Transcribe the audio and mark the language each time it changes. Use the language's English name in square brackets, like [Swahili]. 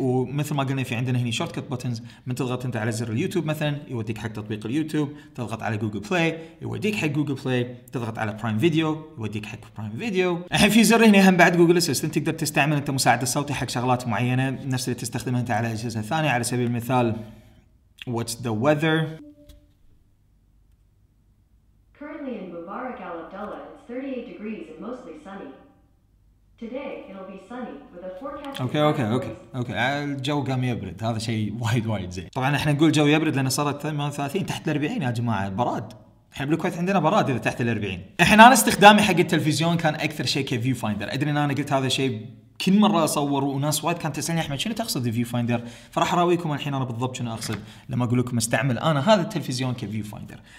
[Arabic] ومثل ما قلنا في عندنا هنا [English] shortcut buttons, [Arabic] من تضغط انت على زر اليوتيوب مثلا يوديك حق تطبيق اليوتيوب، تضغط على جوجل بلاي يوديك حق جوجل بلاي، تضغط على برايم فيديو يوديك حق برايم فيديو. الحين في زر هنا هم بعد جوجل اسيست، تقدر تستعمل انت مساعد الصوتي حق شغلات معينه نفس اللي تستخدمها انت على اجهزه ثانيه، على سبيل المثال [English] What's the weather. Currently in Mubarak Al Abdullah it's 38 degrees and mostly sunny. Today it'll be sunny with a forecast. Okay. [Arabic] الجو قام يبرد، هذا شيء وايد وايد زين. طبعا احنا نقول جو يبرد لان صارت 38 تحت ال40 يا جماعه، براد احنا بالكويت عندنا براد اذا تحت الاربعين. احنا انا استخدامي حق التلفزيون كان اكثر شيء كفيو فايندر. ادري ان انا قلت هذا الشيء كل مره اصور وناس وايد كانت تسالني احمد شنو تقصد فيو فايندر، فراح اراويكم الحين انا بالضبط شنو اقصد لما اقول لكم استعمل انا هذا التلفزيون كفيو فايندر.